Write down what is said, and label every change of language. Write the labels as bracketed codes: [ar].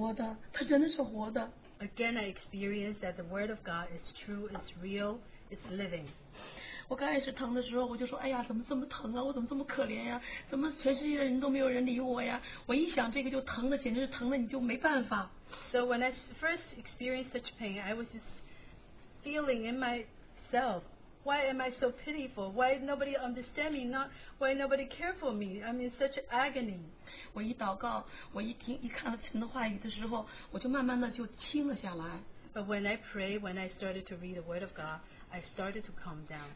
[zh] 我再一次领会了，再一次知道了，体验了，神的话真的是食粮，神的话是真理，它是活的，它真的是活的。 [en] Again, I experienced that the word of God is true, it's real, it's living. [zh] 我刚开始疼的时候，我就说，哎呀，怎么这么疼啊？我怎么这么可怜呀？怎么全世界的人都没有人理我呀？我一想这个就疼的，简直是疼的，你就没办法。 [en] So when I first experienced such pain, I was just feeling in myself, why am I so pitiful? Why nobody understand me? Not why nobody care for me? I'm in such agony. [zh] 我一祷告，我一听一看到神的话语的时候，我就慢慢的就轻了下来。 [en] But when I pray, when I started to read the word of God, I started to calm down.